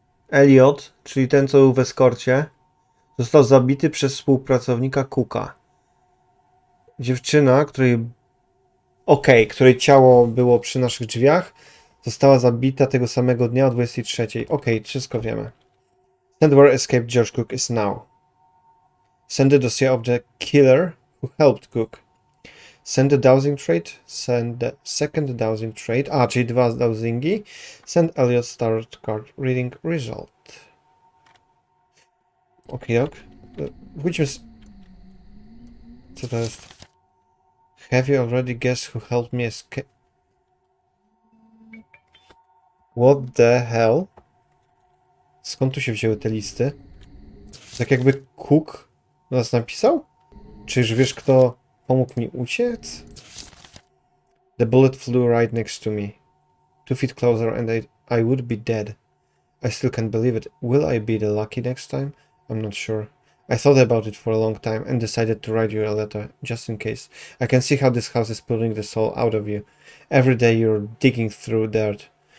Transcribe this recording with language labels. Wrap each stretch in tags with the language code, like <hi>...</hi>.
<pl>Elliot, czyli ten co był w eskorcie, został zabity przez współpracownika Cooka. Dziewczyna, której... Okej, okay, której ciało było przy naszych drzwiach, została zabita tego samego dnia o 23. Okej, okay, wszystko wiemy.</pl> <en>Send where escaped George Cook is now. Send the dossier of the killer who helped Cook. Send the dowsing trade. Send the second dowsing trade. A, czyli dwa dowsingi. Send Elliot's tarot card reading result.</en> <pl>Ok. Wróćmy z... Co to jest?</pl> <en>Have you already guessed who helped me escape? What the hell?</en> <pl>Skąd tu się wzięły te listy? Tak jakby Cook nas napisał? Czy już wiesz, kto pomógł mi uciec?</pl> <en>The bullet flew right next to me. 2 feet closer and I would be dead. I still can't believe it. Will I be the lucky next time? I'm not sure. I thought about it for a long time and decided to write you a letter, just in case. I can see how this house is pulling the soul out of you. Every day you're digging through dirt.</en>